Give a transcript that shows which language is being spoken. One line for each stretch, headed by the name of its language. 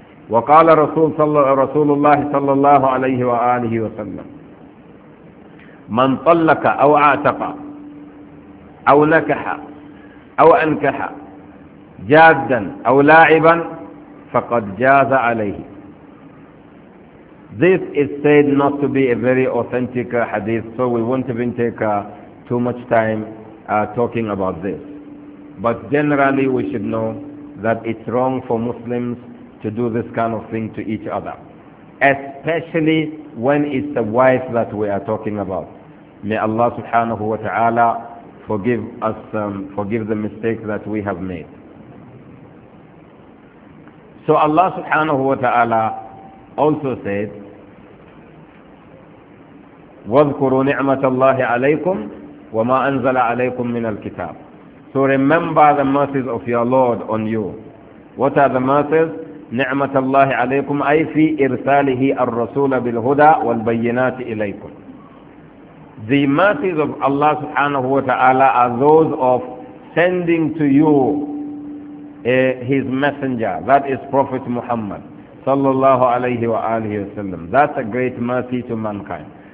Arabic: وَقَالَ رَسُولُ اللَّهِ صَلَّى اللَّهُ عَلَيْهِ وَآلِهِ وَسَلَّمْ من طلق أو اعتق أو نكح أو أنكح جادا أو لاعبا فقد جاز عليه.
English: This is said not to be a very authentic hadith, so we won't even take too much time talking about this. But generally we should know that it's wrong for Muslims to do this kind of thing to each other, especially when it's the wife that we are talking about. May Allah subhanahu wa ta'ala forgive us, forgive the mistake that we have made. So Allah subhanahu wa ta'ala also said,
Arabic: وَذْكُرُوا نِعْمَةَ اللَّهِ عَلَيْكُمْ وَمَا أَنْزَلَ عَلَيْكُمْ مِنَ الْكِتَابِ.
English: So remember the mercies of your Lord on you. What are the mercies?
Arabic: نِعْمَةَ اللَّهِ عَلَيْكُمْ أَيْ فِي إِرْسَالِهِ الرَّسُولَ بِالْهُدَى وَالْبَيِّنَاتِ إِلَيْكُمْ.
English: The mercies of Allah subhanahu wa ta'ala are those of sending to you his messenger, that is Prophet Muhammad sallallahu alayhi wa alihi wa sallam. That's a great mercy to mankind.